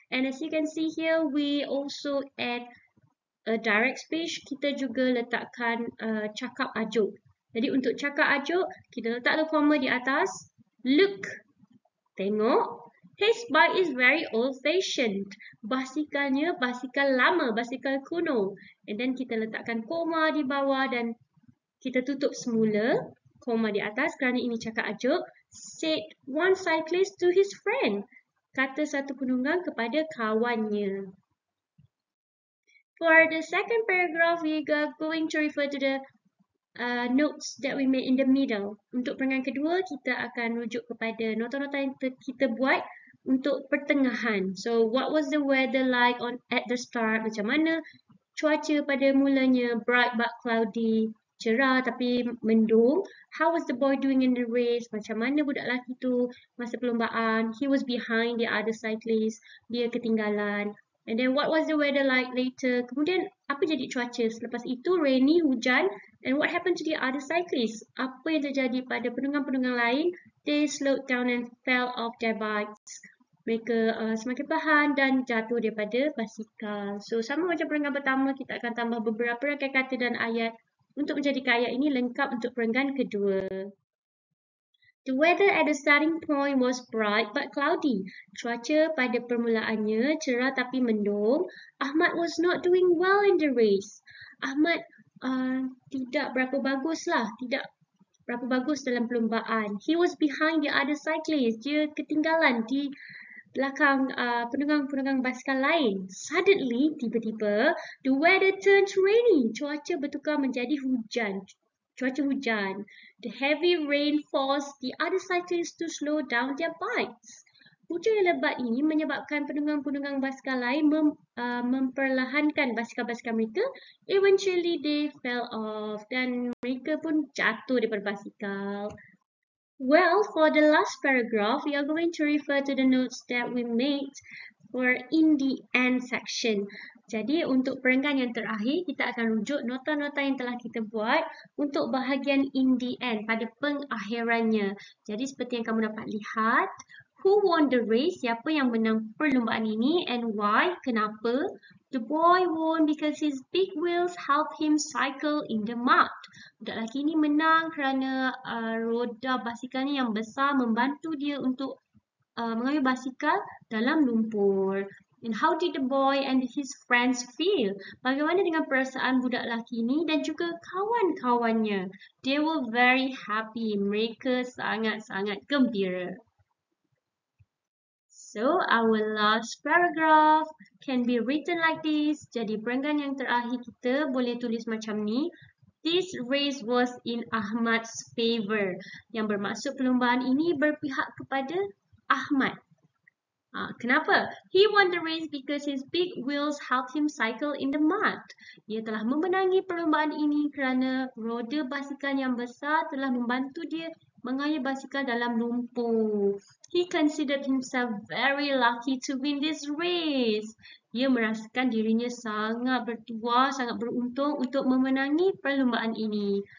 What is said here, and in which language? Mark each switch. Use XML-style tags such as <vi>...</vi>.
<en>And as you can see here, we also add a direct speech.</en> <ms>Kita juga letakkan cakap ajuk. Jadi untuk cakap ajuk, kita letak</ms> <en>the comma</en> <ms>di atas.</ms> <en>Look,</en> <ms>tengok.</ms> <en>His bike is very old-fashioned.</en> <ms>Basikalnya basikal lama, basikal kuno. And then kita letakkan koma di bawah dan kita tutup semula. Koma di atas kerana ini cakap ajuk.</ms> <en>Said one cyclist to his friend.</en> <ms>Kata satu penunggang kepada kawannya.</ms> <en>For the second paragraph, we are going to refer to the notes that we made in the middle.</en> <ms>Untuk perenggan kedua, kita akan rujuk kepada nota-nota yang kita buat untuk pertengahan.</ms> <en>So, what was the weather like on at the start?</en> <ms>Macam mana cuaca pada mulanya?</ms> <en>Bright but cloudy.</en> <ms>Cerah tapi mendung.</ms> <en>How was the boy doing in the race?</en> <ms>Macam mana budak lelaki tu masa perlombaan?</ms> <en>He was behind the other cyclist.</en> <ms>Dia ketinggalan.</ms> <en>And then what was the weather like later?</en> <ms>Kemudian apa jadi cuaca? Selepas itu</ms> <en>rainy,</en> <ms>hujan.</ms> <en>And what happened to the other cyclist?</en> <ms>Apa yang terjadi pada penunggang-penunggang lain?</ms> <en>They slowed down and fell off their bikes.</en> <ms>Mereka semakin perlahan dan jatuh daripada basikal. So, sama macam perenggan pertama, kita akan tambah beberapa rangkaian kata dan ayat untuk menjadikan ayat ini lengkap untuk perenggan kedua.</ms> <en>The weather at the starting point was bright but cloudy.</en> <ms>Cuaca pada permulaannya cerah tapi mendung.</ms> <en>Ahmad was not doing well in the race.</en> <ms>Ahmad tidak berapa baguslah, tidak berapa bagus dalam perlumbaan.</ms> <en>He was behind the other cyclists.</en> <ms>Dia ketinggalan di belakang penunggang-penunggang basikal lain.</ms> <en>Suddenly,</en> <ms>tiba-tiba,</ms> <en>the weather turned rainy.</en> <ms>Cuaca bertukar menjadi hujan. Cuaca hujan.</ms> <en>The heavy rain forced the other cyclists to slow down their bikes.</en> <ms>Hujan yang lebat ini menyebabkan penunggang-penunggang basikal lain memperlahankan basikal-basikal mereka.</ms> <en>Eventually, they fell off</en> <ms>dan mereka pun jatuh daripada basikal.</ms> <en>Well, for the last paragraph, we are going to refer to the notes that we made for in the end section.</en> <ms>Jadi, untuk perenggan yang terakhir, kita akan rujuk nota-nota yang telah kita buat untuk bahagian</ms> <en>in the end,</en> <ms>pada pengakhirannya. Jadi, seperti yang kamu dapat lihat,</ms> <en>who won the race?</en> <ms>Siapa yang menang perlombaan ini?</ms> <en>And why?</en> <ms>Kenapa?</ms> <en>The boy won because his big wheels helped him cycle in the mud.</en> <ms>Budak lelaki ini menang kerana roda basikalnya yang besar membantu dia untuk mengayuh basikal dalam lumpur.</ms> <en>And how did the boy and his friends feel?</en> <ms>Bagaimana dengan perasaan budak lelaki ini dan juga kawan-kawannya?</ms> <en>They were very happy.</en> <ms>Mereka sangat-sangat gembira.</ms> <en>So, our last paragraph can be written like this.</en> <ms>Jadi, perenggan yang terakhir kita boleh tulis macam ni.</ms> <en>This race was in Ahmad's favor.</en> <ms>Yang bermaksud perlumbaan ini berpihak kepada Ahmad. Kenapa?</ms> <en>He won the race because his big wheels helped him cycle in the mud.</en> <ms>Dia telah memenangi perlumbaan ini kerana roda basikal yang besar telah membantu dia mengayuh basikal dalam lumpur.</ms> <en>He considered himself very lucky to win this race.</en> <ms>Dia merasakan dirinya sangat bertuah, sangat beruntung untuk memenangi perlumbaan ini.</ms>